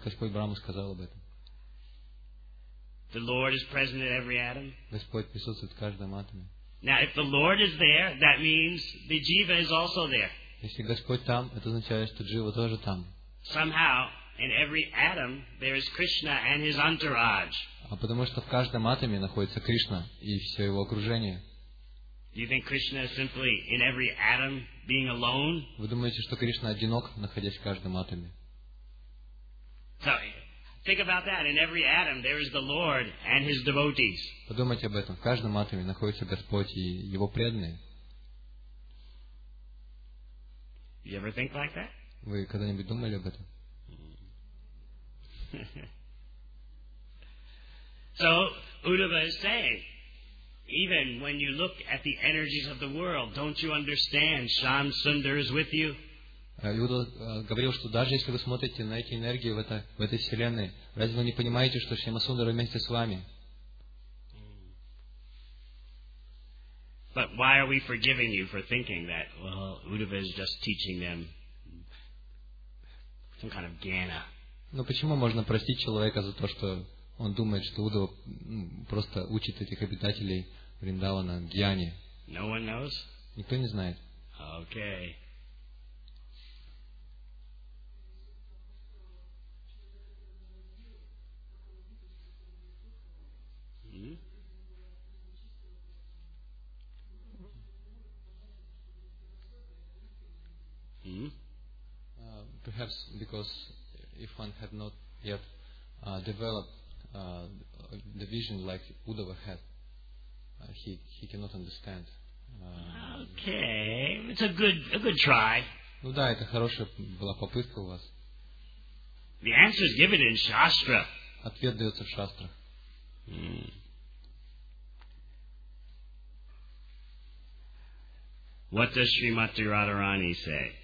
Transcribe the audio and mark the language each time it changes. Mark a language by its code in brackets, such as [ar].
[ru] Господь Брама сказал об этом. [en] The Lord is present in every atom. [ru] Господь присутствует в каждом атоме. [en] Now, if the Lord is there, that means the jiva is also there. [ru] Если Господь там, это означает, что джива тоже там. [en] Somehow, in every atom, there is Krishna and his entourage. [ru] А потому что в каждом атоме находится Кришна и все его окружение. [en] Do you think Krishna is simply in every atom, being alone? [ru] Вы думаете, что Кришна одинок, находясь в каждом атоме? [en] So, think about that. In every atom, there is the Lord and His devotees. [ru] Подумайте об этом. В каждом атоме находится Господь и Его преданные. [en] You ever think like that? [ru] Вы когда-нибудь думали об этом? [en] So, Uddhava is saying, even when you look at the energies of the world, don't you understand Shyam Sundar is with you? [ru] Люди говорил, что даже если вы смотрите на эти энергии в этой вселенной, разве вы не понимаете, что Шрима Сундара вместе с вами? [en] But why are we forgiving you for thinking that, well, Uddhava is just teaching them some kind of jnana? [ru] Но почему можно простить человека за то, что он думает, что Уддхава просто учит этих обитателей Вриндавана джняне? [en] No one knows. [ru] Никто не знает. [en] Okay. Perhaps because if one had not yet developed the vision like Uddhava had, he cannot understand. Okay, it's a good try. [ru] Ну да, это хорошая была попытка у вас. [en] The answer is given in Shastra. [ru] Ответ дается в шастрах. [en] What does Srimati Radharani say?